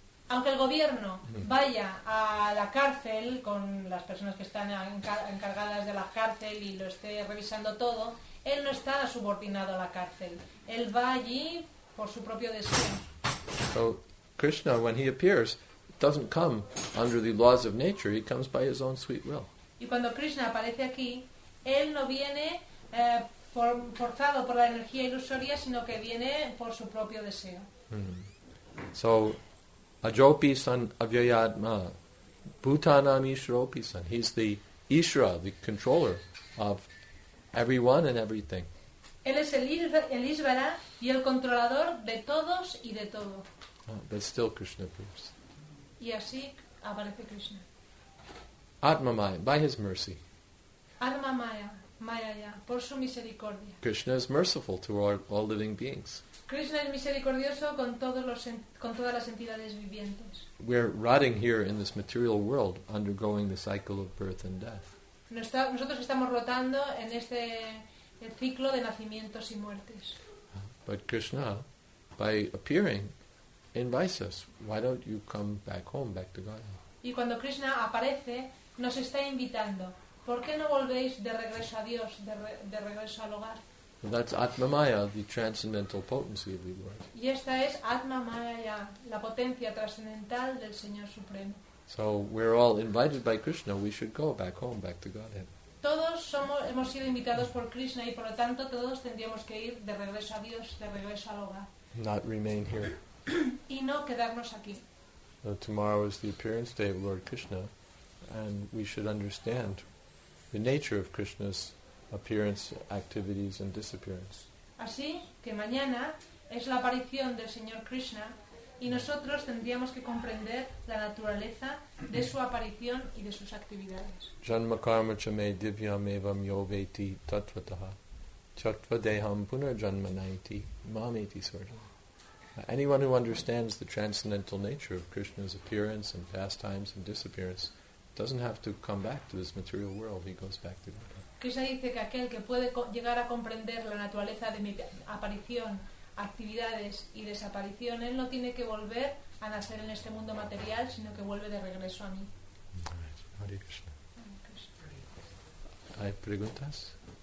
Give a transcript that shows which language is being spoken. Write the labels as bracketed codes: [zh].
[es] Aunque el gobierno vaya a la cárcel con las personas que están encargadas de la cárcel y lo esté revisando todo, él no está subordinado a la cárcel. Él va allí por su propio deseo. [en] So Krishna, when he appears, doesn't come under the laws of nature. He comes by his own sweet will. [es] Y cuando Krishna aparece aquí, él no viene forzado por la energía ilusoria, sino que viene por su propio deseo. [sa] So Ajopi san avyayatma, bhutanam ishropi san. [en] He's the Ishra, the controller of everyone and everything. [es] Él es el Ishvara y el controlador de todos y de todo. [en] But still Krishna appears. [es] Y así aparece Krishna. [en] Atma Maya, by his mercy. [es] Atma Maya, Maya, por su misericordia. [en] Krishna is merciful to all living beings. [es] Krishna es misericordioso con todos los con todas las entidades vivientes. [en] We're rotting here in this material world, undergoing the cycle of birth and death. [es] Nosotros estamos rotando en este ciclo de nacimientos y muertes. [en] But Krishna, by appearing, invites us. Why don't you come back home, back to Godhead? [es] Y cuando Krishna aparece, nos está invitando. ¿Por qué no volvéis de regreso a Dios, de regreso al hogar? [en] And that's Atma Maya, the transcendental potency of the Lord. [es] Y esta es Atma Maya, la potencia trascendental del Señor Supremo. [en] So we're all invited by Krishna, we should go back home, back to Godhead. [es] Todos somos, hemos sido invitados por Krishna y por lo tanto todos tendríamos que ir de regreso a Dios, de regreso al hogar. [en] Not remain here. [es] Y no quedarnos aquí. [en] So tomorrow is the appearance day of Lord Krishna, and we should understand the nature of Krishna's appearance, activities, and disappearance. [es] Así que mañana es la aparición del Señor Krishna, y nosotros tendríamos que comprender la naturaleza de su aparición y de sus actividades. [sa] Janma karma cha me divyam evam yoveti tatvatah chatvadeham punarjanma nayati mameti svarjanam. [en] Anyone who understands the transcendental nature of Krishna's appearance and pastimes and disappearance doesn't have to come back to this material world. He goes back to Godhead. [es] Krishna dice que aquel que puede llegar a comprender la naturaleza de mi aparición, actividades y desaparición, él no tiene que volver a nacer en este mundo material, sino que vuelve de regreso a mí. [sa] Hare Krishna. [es] ¿Hay preguntas?